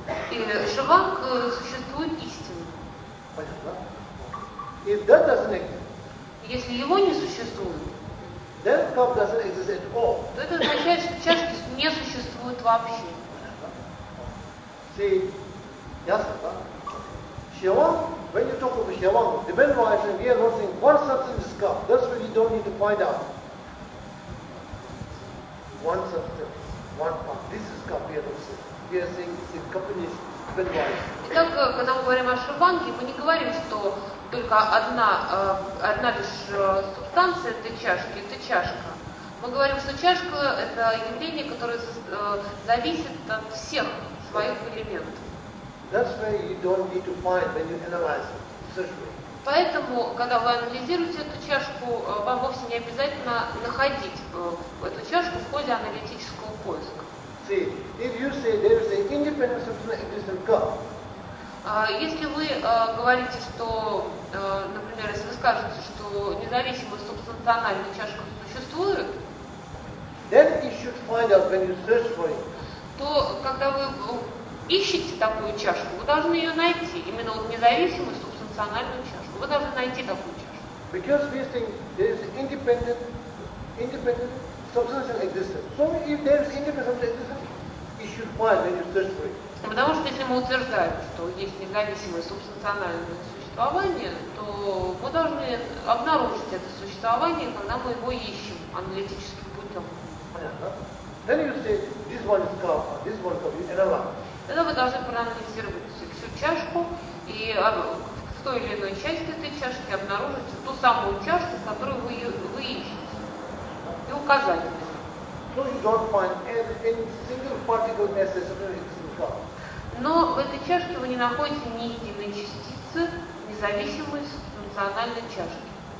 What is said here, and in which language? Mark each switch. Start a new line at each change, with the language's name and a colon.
Russian: И шиванка существует истинно. Понятно?
English: If that doesn't exist.
Russian: Если его не существует,
English: then cup doesn't exist at all.
Russian: То это означает, что чашки не существует вообще.
English: See,
Russian: ясно, да?
English: Шиван, when you talk about Шиван, the main reason we are not saying one substance is cup. That's what you don't need to find out. One substance, one part. This is cup, we are not saying. We are saying it's a combination, the main reason.
Russian: Итак, когда мы говорим о Шиванке, мы не говорим, что только одна лишь субстанция этой чашки, это чашка. Мы говорим, что чашка – это явление, которое зависит от всех своих элементов.
English: That's why you don't need to find when you analyze it, search for it.
Russian: Поэтому, когда вы анализируете эту чашку, вам вовсе не обязательно находить эту чашку в ходе аналитического поиска.
English: See, if you say there is an independent substance existing cup.
Russian: Если вы говорите, что, например, если вы скажете, что независимая субстанциональная чашка существует,
English: then you should find out when you search for it.
Russian: То, когда вы ищите такую чашку, вы должны ее найти, именно вот независимую субстанциональную чашку. Вы должны найти такую чашку.
English: Because we think there is independent substantial existence. So if there is independent existence, you should find when you search for it.
Russian: Потому что если мы утверждаем, что есть независимое субстанциональное существование, то мы должны обнаружить это существование, когда мы его ищем аналитическим путем. Понятно?
English: Then you say this one is cup, this one is cup, you analyze.
Russian: Тогда вы должны проанализировать всю чашку и в той или иной части этой чашки обнаружить ту самую чашку, которую вы ищете, и указать на нее. Но в этой чашке вы не находите ни единой частицы, независимой от функциональной чашки.